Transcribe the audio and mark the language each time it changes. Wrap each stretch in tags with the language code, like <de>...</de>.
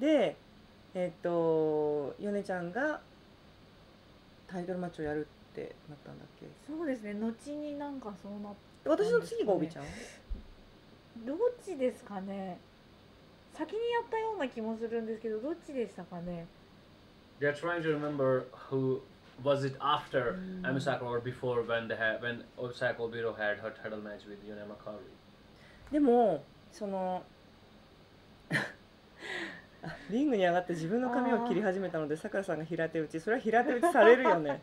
<ja>で、ヨネちゃんがタイトルマッチをやるってなったんだっけ。そうですね。後になんかそうなった、ね。私の次がオビちゃん。どっちですかね。先にやったような気もするんですけど、どっちでしたかね。</ja> <en>They're trying to remember who was it after Ami Sakura or before when they had when Osaka Obito had her title match with Yuna Makari.</en> <ja>でもそのリングに上がって自分の髪を切り始めたので、さくらさんが平手打ち、それは平手打ちされるよね。</ja>